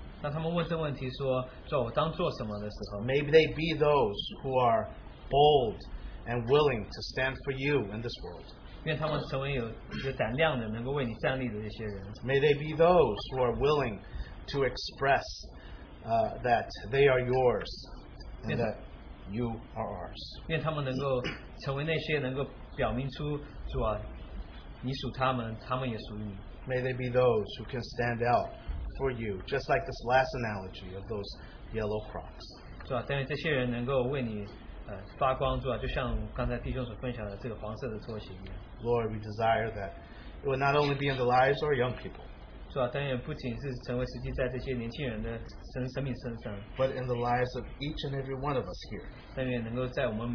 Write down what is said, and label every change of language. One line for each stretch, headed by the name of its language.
English: Maybe they be those who are bold and willing to stand for you in this world. May they be those who are willing to express that they are yours and that you are ours.
Chinese: 愿他们能够成为那些能够表明出主啊, 你属他们,
English: may they be those who can stand out for you, just like this last analogy of those yellow crocs.
Chinese: 主啊, 但愿这些人能够为你, 发光主啊, 就像刚才弟兄所分享的这个黄色的拖鞋一样。
English: Lord, we desire that it would not only be in the lives of our young people, but in the lives of each and every one of us here.